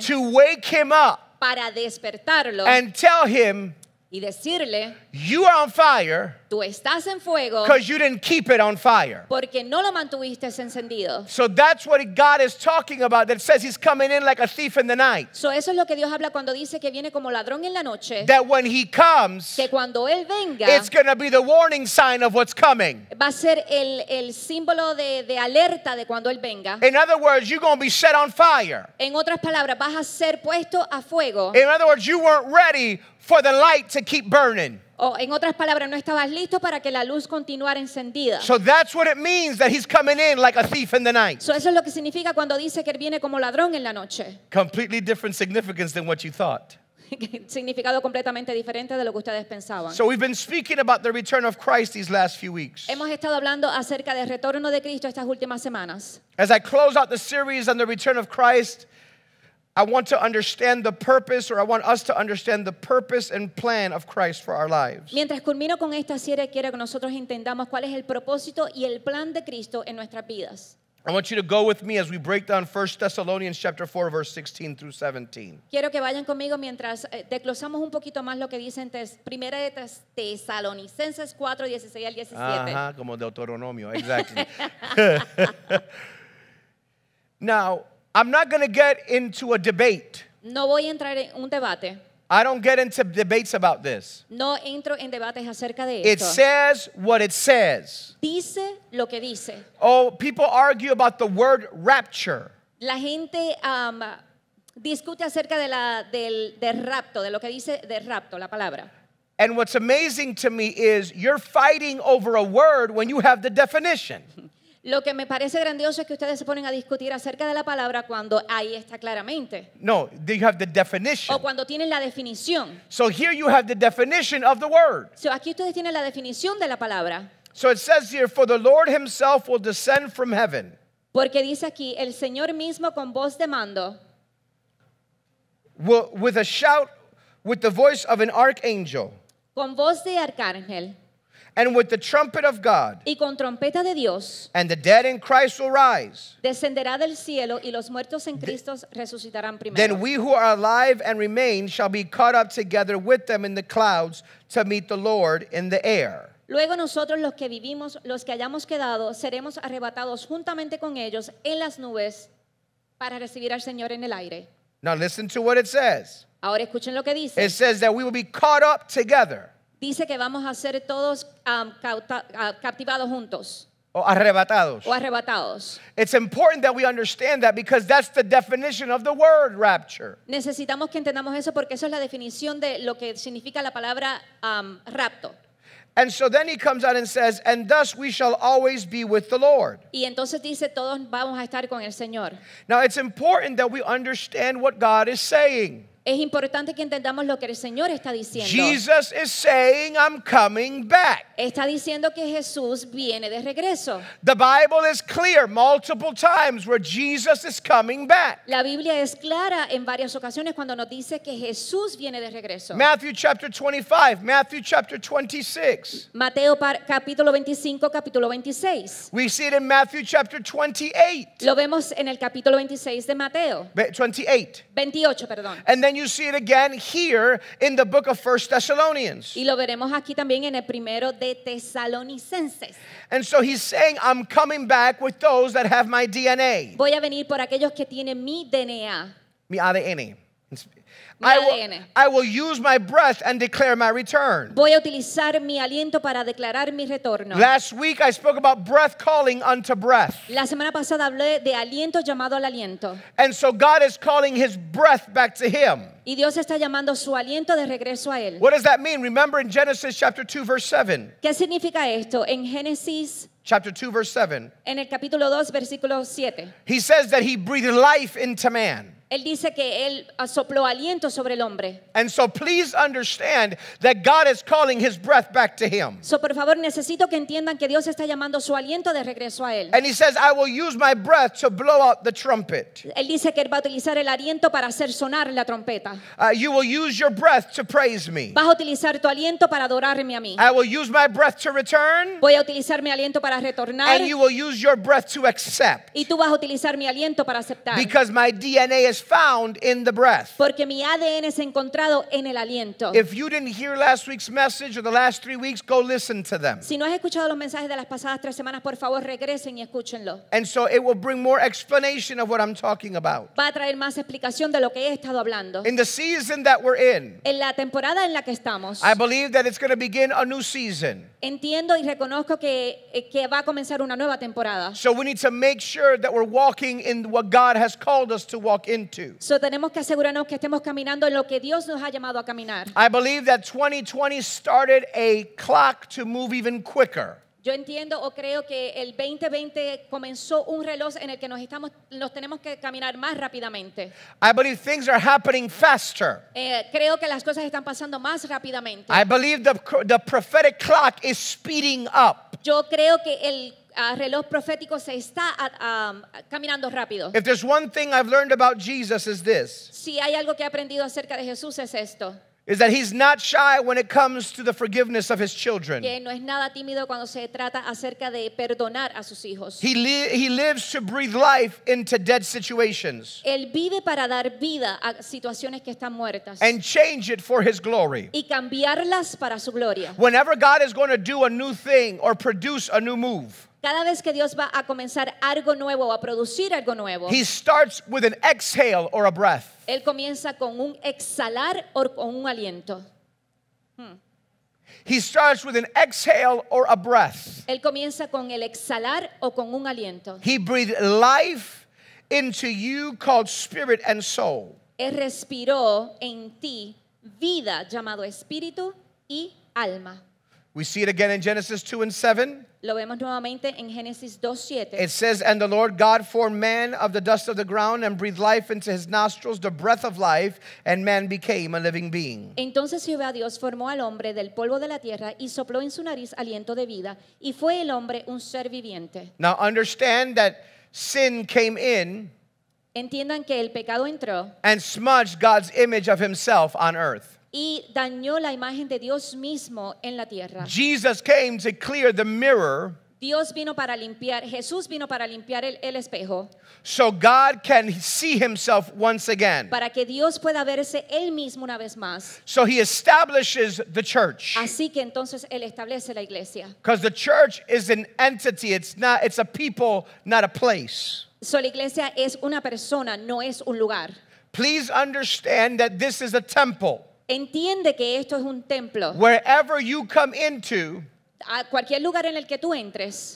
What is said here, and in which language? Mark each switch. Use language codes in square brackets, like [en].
[en] to wake him up [es] para despertarlo [en] and tell him [es] y decirle, [en] you are on fire. [es] Tú estás en fuego. [en] Because you didn't keep it on fire. [es] Porque no lo mantuviste encendido. [en] So that's what God is talking about. That says he's coming in like a thief in the night. [es] So eso es lo que Dios habla cuando dice que viene como ladrón en la noche. [en] That when he comes, [es] que cuando él venga, [en] it's going to be the warning sign of what's coming. [es] Va a ser el símbolo de alerta de cuando él venga. [en] In other words, you're going to be set on fire. [es] En otras palabras, vas a ser puesto a fuego. [en] In other words, you weren't ready for the light to keep burning. [es] Oh, en otras palabras, no estabas listo para que la luz continuara encendida. [en] So that's what it means that he's coming in like a thief in the night. [es] So eso es lo que significa cuando dice que él viene como ladrón en la noche. [en] Completely different significance than what you thought. [es] Significado completamente diferente de lo que ustedes pensaban. [en] So we've been speaking about the return of Christ these last few weeks. [es] Hemos estado hablando acerca del retorno de Cristo estas últimas semanas. [en] As I close out the series on the return of Christ, I want to understand the purpose, or I want us to understand the purpose and plan of Christ for our lives. [es] Mientras culmino con esta serie, quiero que nosotros entendamos cuál es el propósito y el plan de Cristo en nuestras vidas. [en] I want you to go with me as we break down 1 Thessalonians chapter 4, verse 16 through 17. [es] Quiero que vayan conmigo mientras desglosamos un poquito más lo que dicen 1 Tesalonicenses 4, 16 al 17. Ajá, como Deuteronomio, exactly. [en] Now, I'm not going to get into a debate. [es] No voy a entrar en un debate. [en] I don't get into debates about this. [es] No entro en debates acerca de [en] it [es] esto. [en] It says what it says. [es] Dice lo que dice. [en] Oh, people argue about the word rapture. [es] La gente discute acerca de la del rapto, de lo que dice de rapto, la palabra. [en] And what's amazing to me is you're fighting over a word when you have the definition. [es] Lo que me parece grandioso es que ustedes se ponen a discutir acerca de la palabra cuando ahí está claramente. [en] No, you have the definition. [es] O cuando tienen la definición. [en] So here you have the definition of the word. [es] So aquí ustedes tienen la definición de la palabra. [en] So it says here, for the Lord himself will descend from heaven. [es] Porque dice aquí, el Señor mismo con voz de mando. [en] With a shout, with the voice of an archangel. [es] Con voz de arcángel. [en] And with the trumpet of God. [es] Y con trompeta de Dios. [en] And the dead in Christ will rise. [es] Descenderá del cielo y los muertos en Cristo resucitarán primero. [en] Then we who are alive and remain shall be caught up together with them in the clouds to meet the Lord in the air. [es] Luego nosotros los que vivimos, los que hayamos quedado, seremos arrebatados juntamente con ellos en las nubes para recibir al Señor en el aire. [en] Now listen to what it says. [es] Ahora escuchen lo que dice. [en] It says that we will be caught up together. [es] Dice que vamos a ser todos captivados juntos. O arrebatados. O arrebatados. [en] It's important that we understand that because that's the definition of the word rapture. [es] Necesitamos que entendamos eso porque eso es la definición de lo que significa la palabra rapto. [en] And so then he comes out and says, and thus we shall always be with the Lord. [es] Y entonces dice, todos vamos a estar con el Señor. [en] Now it's important that we understand what God is saying. [es] Es importante que entendamos lo que el Señor está diciendo. [en] Jesus is saying, I'm coming back. [es] Está diciendo que Jesús viene de regreso. [en] The Bible is clear multiple times where Jesus is coming back. [es] La Biblia es clara en varias ocasiones cuando nos dice que Jesús viene de regreso. [en] Matthew chapter 25, Matthew chapter 26. [es] Mateo capítulo 25, capítulo 26. [en] We see it in Matthew chapter 28. [es] Lo vemos en el capítulo 26 de Mateo. 28. 28, perdón. [en] And then you see it again here in the book of 1 Thessalonians. [es] Y lo veremos aquí también en el primero de Tesalonicenses. [en] And so he's saying, I'm coming back with those that have my DNA. [es] Voy a venir por aquellos que tienen mi DNA. Mi ADN. [en] I will use my breath and declare my return. [es] Voy a utilizar mi aliento para declarar mi retorno. [en] Last week I spoke about breath calling unto breath. [es] La semana pasada hablé de aliento llamado al aliento. [en] And so God is calling his breath back to him. [es] Y Dios está llamando su aliento de regreso a él. [en] What does that mean? Remember in Genesis chapter 2 verse 7. [es] ¿Qué significa esto? En Génesis [en] chapter 2 verse 7. [es] En el capítulo 2 versículo 7. [en] He says that he breathed life into man. [es] Él dice que él sopló aliento sobre el hombre. [en] And so please understand that God is calling his breath back to him. [es] So por favor, necesito que entiendan que Dios está llamando su aliento de regreso a él. [en] And he says, I will use my breath to blow out the trumpet. [es] Él dice que él va a utilizar el aliento para hacer sonar la trompeta. [en] You will use your breath to praise me. [es] Vas a utilizar tu aliento para adorarme a mí. [en] I will use my breath to return. [es] Voy a utilizar mi aliento para retornar. [en] And you will use your breath to accept. [es] Y tú vas a utilizar mi aliento para aceptar. [en] Because my DNA is found in the breath. [es] Porque mi ADN es encontrado en el aliento. [en] If you didn't hear last week's message or the last 3 weeks, go listen to them. [es] Si no has escuchado los mensajes de las pasadas tres semanas, por favor regresen y escúchenlo. [en] And so it will bring more explanation of what I'm talking about. [es] Va a traer más explicación de lo que he estado hablando. [en] In the season that we're in. [es] En la temporada en la que estamos. [en] I believe that it's going to begin a new season. [es] Entiendo y reconozco que va a comenzar una nueva temporada. [en] So we need to make sure that we're walking in what God has called us to walk into. [es] So tenemos que asegurarnos que estemos caminando en lo que Dios nos ha llamado a caminar. [en] I believe that 2020 started a clock to move even quicker. [es] Yo entiendo o creo que el 2020 comenzó un reloj en el que nos tenemos que caminar más rápidamente. [en] I believe things are happening faster. [es] Creo que las cosas están pasando más rápidamente. [en] I believe the prophetic clock is speeding up. [es] Yo creo que el reloj profético se está caminando rápido. [en] If there's one thing I've learned about Jesus is this. [es] Si hay algo que he aprendido acerca de Jesús es esto. [en] Is that he's not shy when it comes to the forgiveness of his children. [es] Que no es nada tímido cuando se trata acerca de perdonar a sus hijos. [en] He lives to breathe life into dead situations. [es] Él vive para dar vida a situaciones que están muertas. [en] And change it for his glory. [es] Y cambiarlas para su gloria. [en] Whenever God is going to do a new thing or produce a new move. [es] Cada vez que Dios va a comenzar algo nuevo o a producir algo nuevo. [en] He starts with an exhale or a breath. [es] Él comienza con un exhalar o con un aliento. [en] He starts with an exhale or a breath. [es] Él comienza con el exhalar o con un aliento. [en] He breathed life into you called spirit and soul. [es] Él respiró en ti vida llamado espíritu y alma. [en] We see it again in Genesis 2 and 7. [es] Lo vemos nuevamente en Génesis 2:7. [en] It says, and the Lord God formed man of the dust of the ground and breathed life into his nostrils, the breath of life, and man became a living being. [es] Entonces Jehová Dios formó al hombre del polvo de la tierra y sopló en su nariz aliento de vida, y fue el hombre un ser viviente. [en] Now understand that sin came in. [es] Entiendan que el pecado entró. [en] And smudged God's image of himself on earth. [es] Y dañó la imagen de Dios mismo en la tierra. [en] Jesus came to clear the mirror. [es] Dios vino para limpiar, Jesús vino para limpiar el espejo. [en] So God can see himself once again. [es] Para que Dios pueda verse él mismo una vez más. [en] So he establishes the church. [es] Así que entonces él establece la iglesia. [en] Because the church is an entity, it's a people, not a place. [es] So la iglesia es una persona, no es un lugar. [en] Please understand that this is a temple. [es] Entiende que esto es un templo. [en] Wherever you come into, [es] a cualquier lugar en el que tú entres,